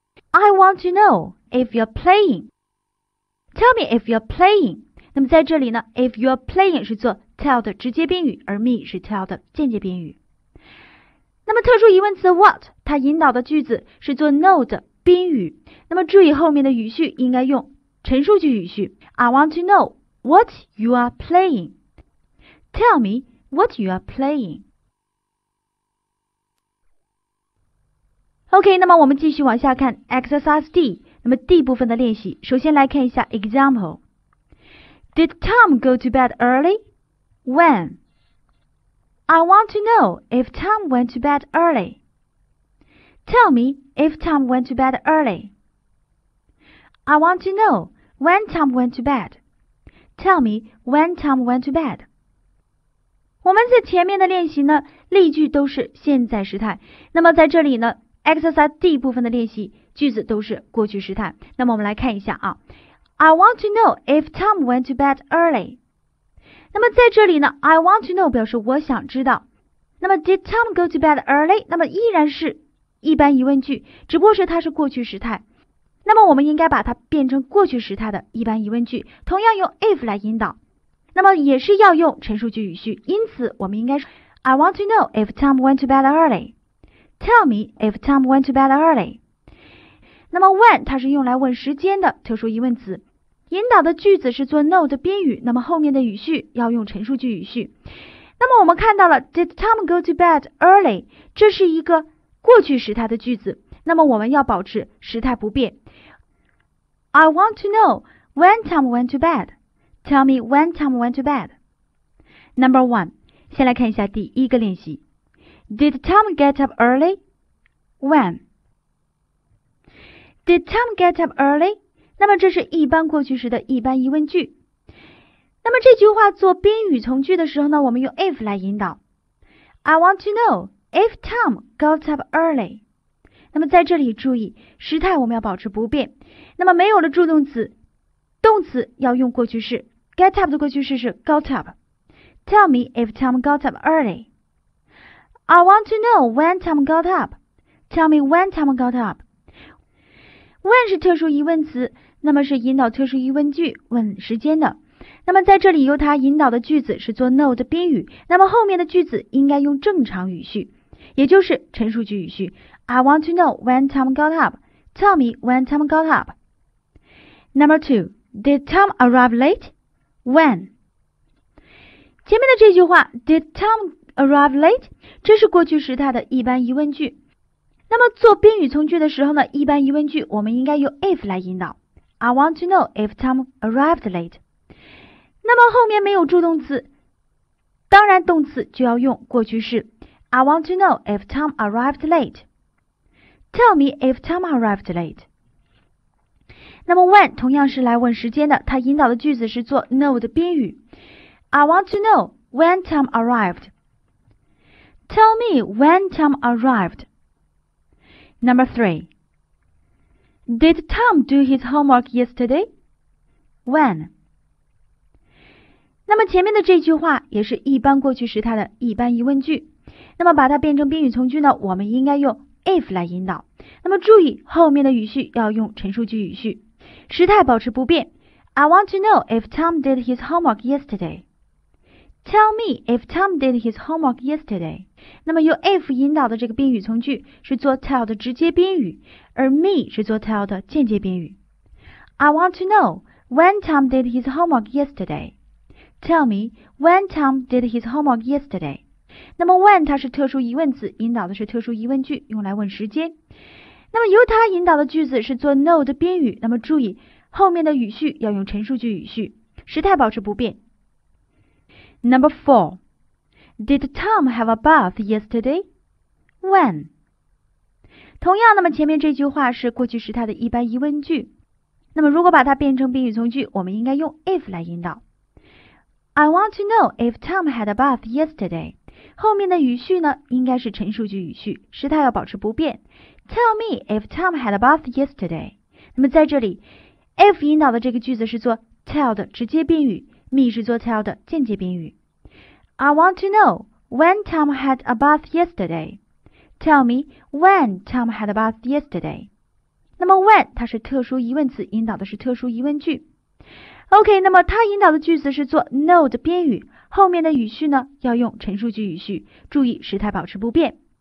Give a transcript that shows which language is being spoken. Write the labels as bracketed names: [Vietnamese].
[English] I want to know if you're playing. Tell me if you're playing. [Chinese] 那么在这里呢， [English] if you're playing [Chinese] 是做 tell 的直接宾语，而 me 是 tell 的间接宾语。那么特殊疑问词 what 它引导的句子是做 no 的宾语，那么注意后面的语序应该用陈述句语序。 [English] I want to know what you are playing. Tell me what you are playing. [Chinese] OK, 那么我们继续往下看 Exercise D, 那么 D 部分的练习，首先来看一下 Example. [English] Did Tom go to bed early? When? I want to know if Tom went to bed early. Tell me if Tom went to bed early. I want to know when Tom went to bed. Tell me when Tom went to bed. [Chinese] 我们在前面的练习呢，例句都是现在时态，那么在这里呢 Exercise D 部分的练习句子都是过去时态。那么我们来看一下啊， [English] I want to know if Tom went to bed early. [Chinese] 那么在这里呢， [English] I want to know [Chinese] 表示我想知道，那么 [English] Did Tom go to bed early? [Chinese] 那么依然是一般疑问句，只不过是它是过去时态，那么我们应该把它变成过去时态的一般疑问句，同样用 if 来引导，那么也是要用陈述句语序，因此我们应该说 [English] I want to know if Tom went to bed early. Tell me if Tom went to bed early. [Chinese] 那么 when 它是用来问时间的特殊疑问词，引导的句子是做 no 的宾语，那么后面的语序要用陈述句语序。那么我们看到了 Did Tom go to bed early? 这是一个过去时态的句子，那么我们要保持时态不变。 [English] I want to know when Tom went to bedTell me when Tom went to bed. Number one, [Chinese] 先来看一下第一个练习。 [English] Did Tom get up early? When? Did Tom get up early? [Chinese] 那么这是一般过去时的一般疑问句。那么这句话做宾语从句的时候呢，我们用 if 来引导。 [English] I want to know if Tom got up early. [Chinese] 那么在这里注意，时态我们要保持不变。那么没有了助动词，动词要用过去式。 [English] Get up [Chinese] 的过去式是 [English] got up. Tell me if Tom got up early. I want to know when Tom got up. Tell me when Tom got up. [Chinese] When 是特殊疑问词，那么是引导特殊疑问句，问时间的。那么在这里由它引导的句子是做 no 的宾语，那么后面的句子应该用正常语序，也就是陈述句语序。 [English] I want to know when Tom got up. Tell me when Tom got up. Number two, did Tom arrive late? When? [Chinese] 前面的这句话 [English] Did Tom arrive late? [Chinese] 这是过去时态的一般疑问句。那么做宾语从句的时候呢，一般疑问句我们应该用 if 来引导。 [English] I want to know if Tom arrived late. [Chinese] 那么后面没有助动词，当然动词就要用过去式。 [English] I want to know if Tom arrived late. Tell me if Tom arrived late. [Chinese] 那么 when 同样是来问时间的，它引导的句子是做 no 的宾语。 [English] I want to know when Tom arrived. Tell me when Tom arrived. Number 3. Did Tom do his homework yesterday? When? [Chinese] 那么前面的这句话也是一般过去时态的一般疑问句，那么把它变成宾语从句呢，我们应该用 if 来引导，那么注意后面的语序要用陈述句语序，时态保持不变。 [English] I want to know if Tom did his homework yesterday. Tell me if Tom did his homework yesterday. [Chinese] 那么由 if 引导的这个宾语从句是做 tell 的直接宾语，而 me 是做 tell 的间接宾语。 [English] I want to know when Tom did his homework yesterday. Tell me when Tom did his homework yesterday. [Chinese] 那么 when 它是特殊疑问词，引导的是特殊疑问句，用来问时间。那么由它引导的句子是做 no 的宾语，那么注意后面的语序要用陈述句语序，时态保持不变。 [English] Number 4 Did Tom have a bath yesterday? When? [Chinese] 同样，那么前面这句话是过去时态的一般疑问句，那么如果把它变成宾语从句，我们应该用 if 来引导。 [English] I want to know if Tom had a bath yesterday. [Chinese] 后面的语序呢，应该是陈述句语序，时态要保持不变。 [English] Tell me if Tom had a bath yesterday. [Chinese] 那么在这里 ，if 引导的这个句子是做 tell 的直接宾语 ，me 是做 tell 的间接宾语。 [English] I want to know when Tom had a bath yesterday. Tell me when Tom had a bath yesterday. [Chinese] 那么 when 它是特殊疑问词，引导的是特殊疑问句。 OK， 那么它引导的句子是做 no 的宾语。后面的语序呢要用陈述句语序，注意时态保持不变。